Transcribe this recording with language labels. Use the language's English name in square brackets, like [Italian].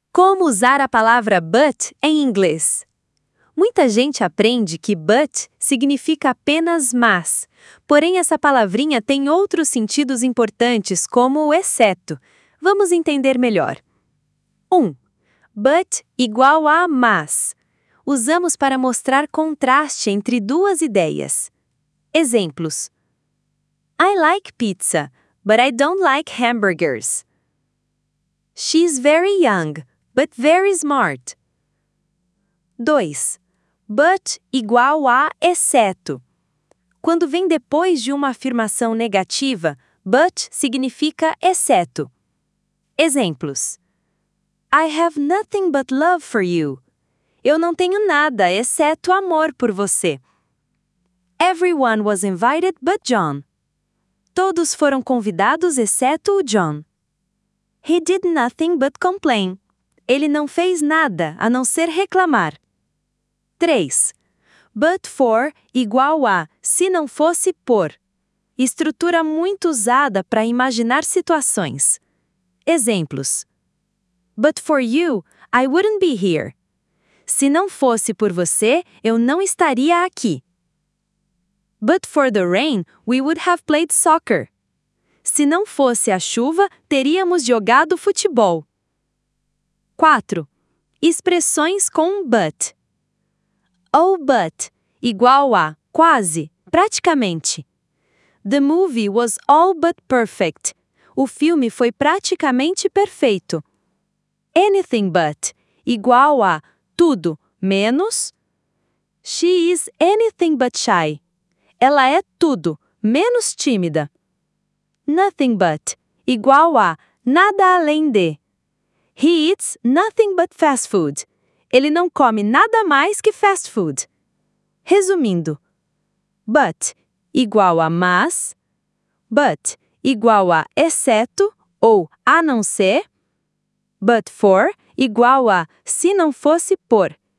[Portuguese] Como usar a palavra but em inglês? Muita gente aprende que but significa apenas mas, porém essa palavrinha tem outros sentidos importantes, como o exceto. Vamos entender melhor. 1. But igual a mas. Usamos para mostrar contraste entre duas ideias. Exemplos. [English] I like pizza, but I don't like hamburgers. She's very young, but very smart. [Portuguese] 2. But igual a exceto. Quando vem depois de uma afirmação negativa, but significa exceto. Exemplos. [English] I have nothing but love for you. [Portuguese] Eu não tenho nada exceto amor por você. [English] Everyone was invited but John. [Portuguese] Todos foram convidados exceto o John. [English] He did nothing but complain. [Portuguese] Ele não fez nada a não ser reclamar. 3. But for igual a se não fosse por. Estrutura muito usada para imaginar situações. Exemplos. [English] But for you, I wouldn't be here. [Portuguese] Se não fosse por você, eu não estaria aqui. [English] But for the rain, we would have played soccer. [Portuguese] Se não fosse a chuva, teríamos jogado futebol. 4. Expressões com but. Oh, but, igual a, quase, praticamente. [English] The movie was all but perfect. [Portuguese] O filme foi praticamente perfeito. Anything but, igual a, tudo, menos. [English] She is anything but shy. [Portuguese] Ela é tudo, menos tímida. Nothing but, igual a, nada além de. [English] He eats nothing but fast food. [Portuguese] Ele não come nada mais que fast food. Resumindo. But, igual a mas. But, igual a exceto, ou a não ser. But for, igual a se não fosse por.